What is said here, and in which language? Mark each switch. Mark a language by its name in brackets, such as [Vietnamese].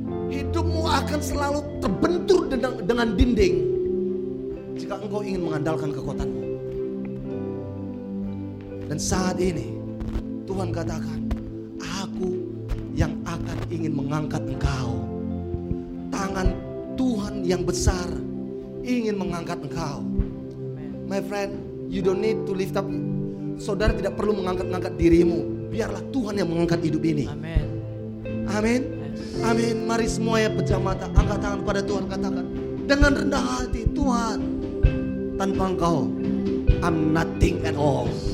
[Indonesian] Hidupmu akan selalu terbentur dengan dinding jika engkau ingin mengandalkan kekuatanmu. Dan saat ini Tuhan katakan, aku yang akan ingin mengangkat engkau. Tangan Tuhan yang besar ingin mengangkat engkau. [English] My friend, you don't need to lift up. [Indonesian] Saudara tidak perlu mengangkat-ngangkat dirimu. Biarlah Tuhan yang mengangkat hidup ini. Amen. Amin. Amin. Mari semua ya pejam mata, angkat tangan kepada Tuhan, katakan dengan rendah hati, Tuhan, tanpa engkau [English] I'm nothing at all.